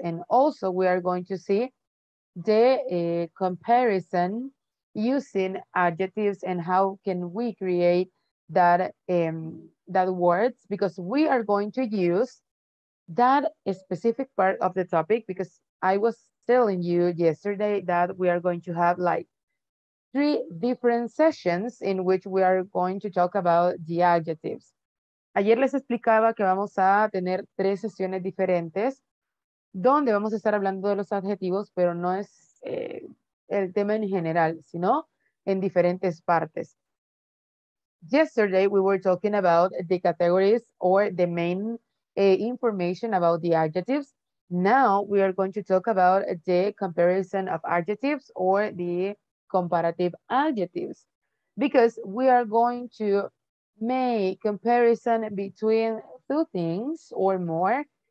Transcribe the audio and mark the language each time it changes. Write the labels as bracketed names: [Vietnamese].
[English] And also we are going to see the comparison using adjectives and how can we create that that words, because we are going to use that specific part of the topic, because I was telling you yesterday that we are going to have like three different sessions in which we are going to talk about the adjectives. [Spanish] Ayer les explicaba que vamos a tener tres sesiones diferentes donde vamos a estar hablando de los adjetivos, pero no es el tema en general, sino en diferentes partes. [English] Yesterday we were talking about the categories or the main information about the adjectives. Now we are going to talk about the comparison of adjectives or the comparative adjectives, because we are going to make comparison between two things or more,